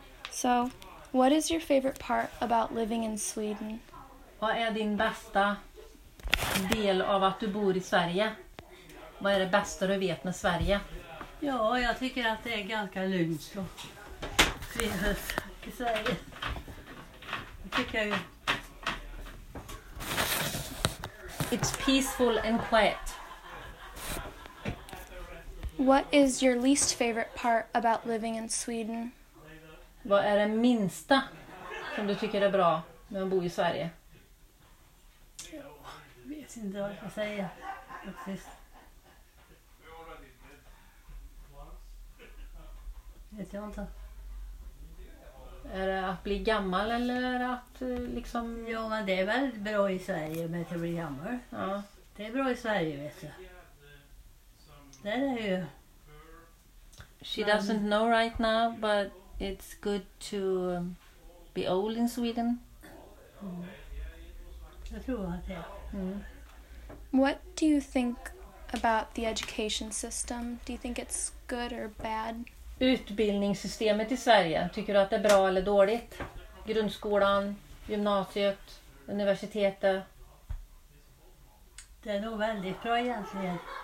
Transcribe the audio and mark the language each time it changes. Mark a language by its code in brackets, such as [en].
[en] So, what is your favorite part about living in Sweden? [sv] Vad är din bästa del av att du bor i Sverige? Vad är det bästa du vet med Sverige? Ja, jag tycker att det är ganska lugnt och trevligt i Sverige. Det tycker jag ju. [en] It's peaceful and quiet. What is your least favorite part about living in Sweden? [sv] Vad är det minsta som du tycker är bra med att bo i Sverige? Jag vet inte vad jag ska säga. Vet jag inte. Är det att bli gammal eller att liksom... Ja, men det är väl bra i Sverige med att bli gammal. Ja. Det är bra i Sverige, vet du. Det är ju... [en] She doesn't know right now, but it's good to be old in Sweden. [sv] Jag tror att det är. [en] What do you think about the education system? Do you think it's good or bad? [sv] Utbildningssystemet i Sverige, tycker du att det är bra eller dåligt? Grundskolan, gymnasiet, universitetet? Det är nog väldigt bra egentligen.